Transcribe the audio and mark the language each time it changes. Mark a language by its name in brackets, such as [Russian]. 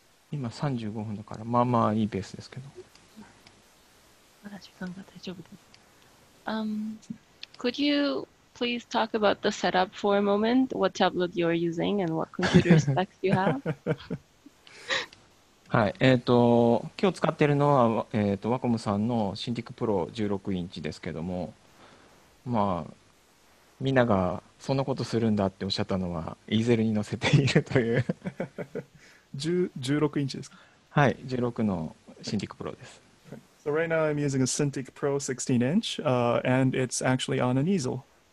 [Japanese] 今35分だから、まあまあいいペースですけど。まだ時間が大丈夫です。 [English] Could you please talk about the setup for a moment? What tablet you're using and what computer specs you have? [Japanese] はい、今日使ってるのは、ワコムさんのシンティックプロ16インチですけども、まあみんながそんなことするんだっておっしゃったのはイーゼルに載せているという 16インチですか。はい、16のシンティックプロです。 [English] So right now I'm using a Cintiq Pro 16 inch、and it's actually on an easel.